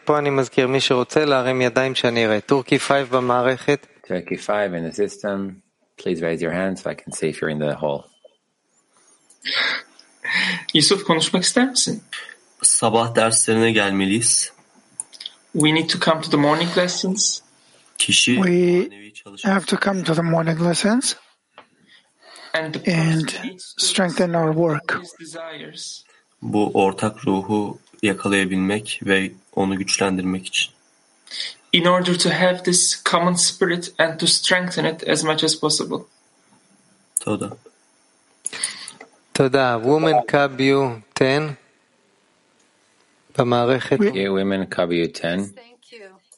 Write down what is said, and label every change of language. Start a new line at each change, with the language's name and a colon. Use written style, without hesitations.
Hebrew: פה אני מזכיר מי שרוצה להרים ידיים שאני אראה. טורקי 5 במערכת.
English: Turkey 5 in the system. Please raise your hands so I can see if you're in the hall.
Turkish: Yusuf, konuşmak ister misin? Sabah derslerine gelmeliyiz.
English: We need to come to the morning lessons.
Turkish: Kişi
English: we have to come to the morning lessons and strengthen our work.
Turkish: Bu ortak ruhu yakalayabilmek ve onu güçlendirmek için.
English: In order to have this common spirit and to strengthen it as much as possible.
Hebrew: Toda. תודה.
English: Women KBU 10
Hebrew: במערכת.
English: Yeah, women KBU 10. Thank you.